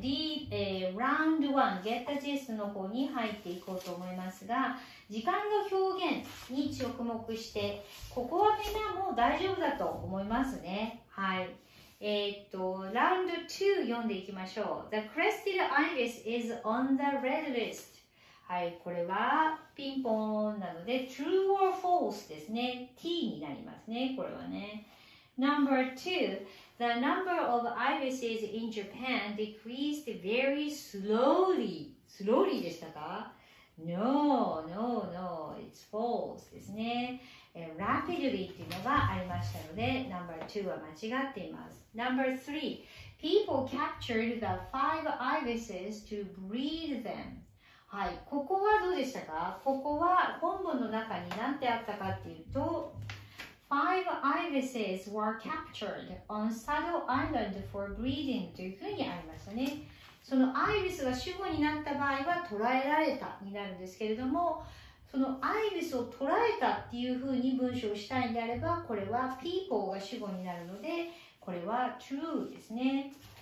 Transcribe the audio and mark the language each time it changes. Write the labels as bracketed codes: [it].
[ja] Round 1 Get the Gist の方に入っていこうと思いますが、時間の表現に着目して、ここはみんなもう大丈夫だと思いますね。はい、Round 2読んでいきましょう。 [en] The crested iris is on the red list。 [ja] はい、これはピンポーンなので [en] True or False [ja] ですね。 T になりますね、これはね。 [en] Number 2、The number of irises in Japan decreased very slowly. Slowly でしたか?No, no, no. It's false [ja] ですね。Rapidly っていうのがありましたので、number 2は間違っています。 [en] Number 3. People captured the five irises to breed them. [ja] はい、ここはどうでしたか? ここは本文の中に何てあったかっていうと、 [en] Five irises were captured on Sado Island for breeding [ja] というふうにありましたね。そのアイリスが主語になった場合は捕らえられたになるんですけれども、そのアイリスを捕らえたっていうふうに文章をしたいんであれば、これは people が主語になるので、これは true ですね。